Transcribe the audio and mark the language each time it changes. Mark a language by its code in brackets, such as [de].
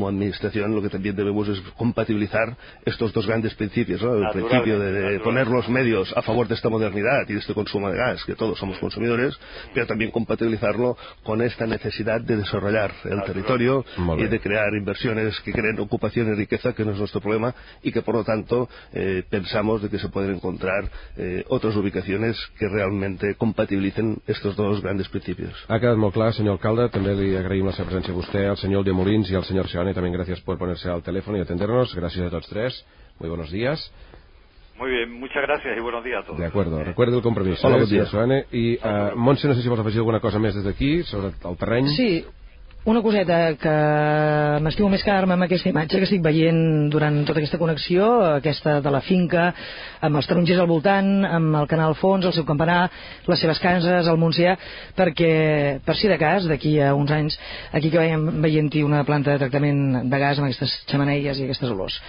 [es] como administración lo que también debemos es compatibilizar estos dos grandes principios, ¿no? El principio de poner los medios a favor de esta modernidad y de este consumo de gas, que todos somos consumidores, pero también compatibilizarlo con esta necesidad de desarrollar el territorio y de crear inversiones que creen ocupación y riqueza, que no es nuestro problema, y que por lo tanto pensamos de que se pueden encontrar otras ubicaciones que realmente compatibilicen estos dos grandes principios. [ca] Ha quedat molt clar, senyor alcalde, també li agraïm la seva presència a vostè, al senyor de Molins i al senyor Seone, també gràcies per ponerse al telèfon i atendernos, gràcies a tots tres, [es] muy buenos días. Muy bien, muchas gracias y buenos días a todos. De acuerdo, recuerde el compromiso. Hola, buen día, Seone. [ca] I Montse, no sé si vols afegir alguna cosa més des d'aquí, sobre el terreny. Sí, una coseta que m'estimo més que ara amb aquesta imatge que estic veient durant tota aquesta connexió, aquesta de la finca, amb els tarongers al voltant, amb el canal fons, el seu campanar, les seves cases, el Montsià, perquè, per si de cas, d'aquí a uns anys, aquí que veiem veient-hi una planta de tractament de gas amb aquestes xemeneies i aquestes olors.